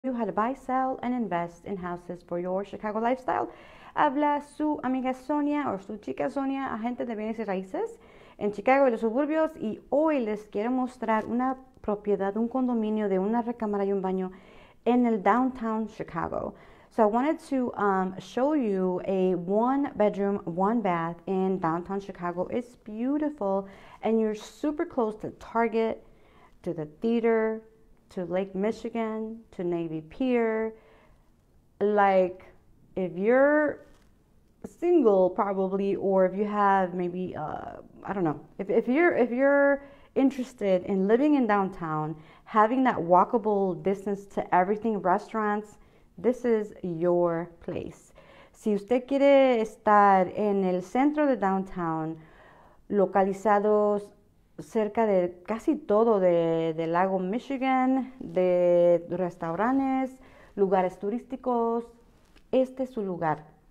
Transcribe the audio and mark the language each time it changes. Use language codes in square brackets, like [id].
[en] knew how to buy, sell, and invest in houses for your Chicago lifestyle. [es] Habla su amiga Sonia, o su chica Sonia, agente de bienes y raíces en Chicago y los suburbios, y hoy les quiero mostrar una propiedad, un condominio de una recámara y un baño en el downtown Chicago. [en] So I wanted to show you a one bedroom, one bath in downtown Chicago. It's beautiful, and you're super close to Target, to the theater, to Lake Michigan, to Navy Pier. Like, if you're single probably, or if you have maybe, I don't know, if you're interested in living in downtown, having that walkable distance to everything, restaurants, this is your place. [es] Si usted quiere estar en el centro de downtown, localizados cerca de casi todo de Lago Michigan, de restaurantes, lugares turísticos, este es su lugar.